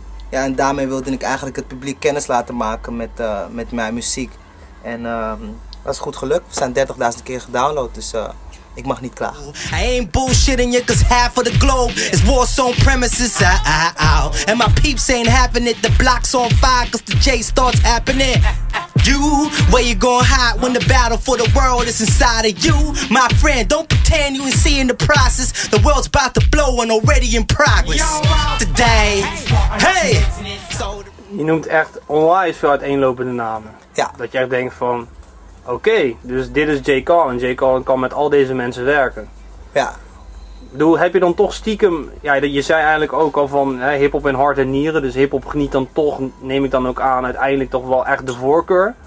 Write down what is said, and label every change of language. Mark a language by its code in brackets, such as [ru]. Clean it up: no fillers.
[nl] En daarmee wilde ik eigenlijk het publiek kennis laten maken met mijn muziek. En dat is goed gelukt, we zijn 30.000 keer gedownload, dus... ik mag niet klagen. [en] I ain't bullshitting you, cause half of the globe is war's on premises. Ow. And my peeps ain't having it. The block's on fire, cause the J starts happening. You, where you gonna hide when the battle for the world is inside of you? My friend, don't pretend you ain't seeing the process. The world's about to blow and already in progress. Today, hey! [nl] Je noemt echt onwijs veel uiteenlopende namen. Ja. Dat jij denkt van. Oké, dus dit is Jay Carlin. Jay Carlin kan met al deze mensen werken. Ja. Heb je dan toch stiekem... Ja, je zei eigenlijk ook al van hiphop in hart en nieren. Dus hiphop geniet dan toch, neem ik dan ook aan, uiteindelijk toch wel echt de voorkeur?